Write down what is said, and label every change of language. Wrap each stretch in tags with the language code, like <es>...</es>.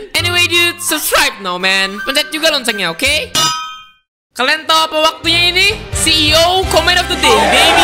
<en>Anyway, dude, subscribe now, man.</en> <id>Pencet juga loncengnya, oke? Okay? Kalian tahu apa waktunya ini?</id> <en>CEO Comment of the Day, baby.</en>